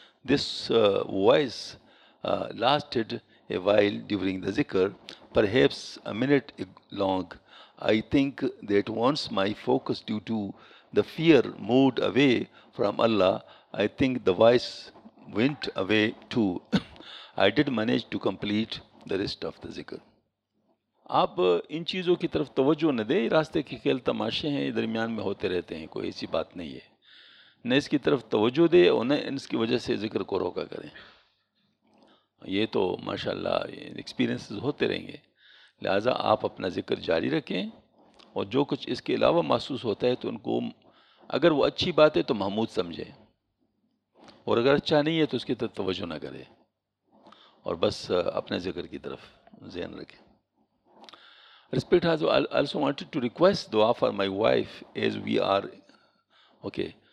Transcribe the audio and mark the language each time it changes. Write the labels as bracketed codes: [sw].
[en] This voice lasted a while during the zikr, perhaps a minute long. I think that once my focus due to the fear moved away from Allah, I think the voice went away too. I did manage to complete the rest of the zikr. [ur] آپ ان چیزوں کی طرف توجہ نہ دیں, راستے کے کھیل تماشے ہیں, درمیان میں ہوتے رہتے ہیں, کوئی ایسی بات نہیں ہے. نہ اس کی طرف توجہ دے اور نہ اس کی وجہ سے ذکر کو روکا کریں. یہ تو ماشاءاللہ ایکسپیرینسز ہوتے رہیں گے, لہٰذا آپ اپنا ذکر جاری رکھیں, اور جو کچھ اس کے علاوہ محسوس ہوتا ہے تو ان کو اگر وہ اچھی بات ہے تو محمود سمجھیں, اور اگر اچھا نہیں ہے تو اس کی طرف توجہ نہ کریں, اور بس اپنے ذکر کی طرف ذہن رکھیں. [en] Respect has also wanted to request dua for my wife as we are okay.